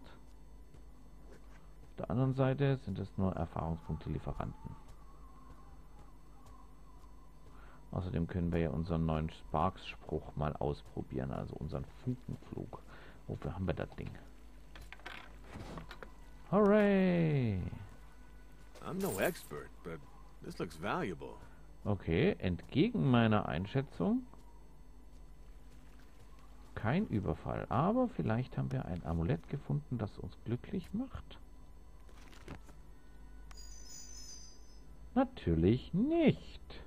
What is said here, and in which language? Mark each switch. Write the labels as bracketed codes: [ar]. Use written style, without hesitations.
[de] Auf der anderen Seite sind es nur Erfahrungspunkte-Lieferanten. Außerdem können wir ja unseren neuen Sparks-Spruch mal ausprobieren, also unseren Funkenflug. Wofür haben wir das Ding? [en] Hooray! I'm no expert, but this looks valuable. [de] Okay, entgegen meiner Einschätzung kein Überfall, aber vielleicht haben wir ein Amulett gefunden, das uns glücklich macht. Natürlich nicht.